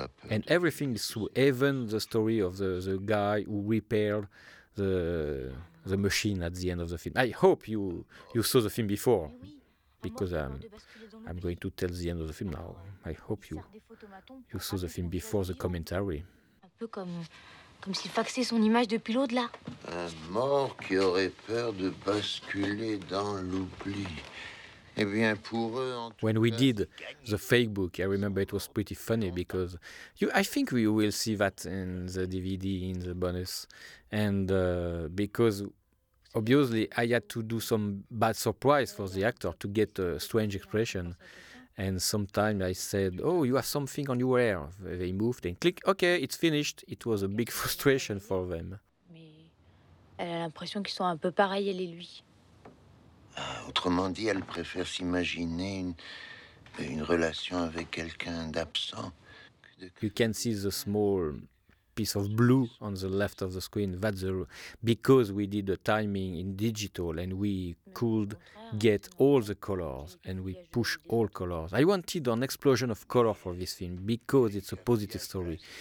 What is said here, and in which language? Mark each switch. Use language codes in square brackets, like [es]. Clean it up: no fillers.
[en] And everything is true, even the story of the guy who repaired the machine at the end of the film. I hope you saw the film before, because I'm going to tell the end of the film now. I hope you saw the film before the commentary. [fr] Comme s'il faxait son image depuis l'au-delà. Un mort qui aurait peur de basculer dans l'oubli. Eh bien, pour eux, en tout [en] when we did the fake book, I remember it was pretty funny because I think we will see that in the DVD, in the bonus. And because obviously I had to do some bad surprise for the actor to get a strange expression. And sometimes I said, oh, you have something on your hair. They moved and click, okay, it's finished. It was a big frustration for them. [fr] Mais elle a l'impression qu'ils sont un peu pareils, elle et lui. Autrement dit, elle préfère s'imaginer une relation avec quelqu'un d'absent. [en] You can see the small piece of blue on the left of the screen. That's the, because we did the timing in digital and we could get all the colors and we push all colors. I wanted an explosion of color for this film because it's a positive story.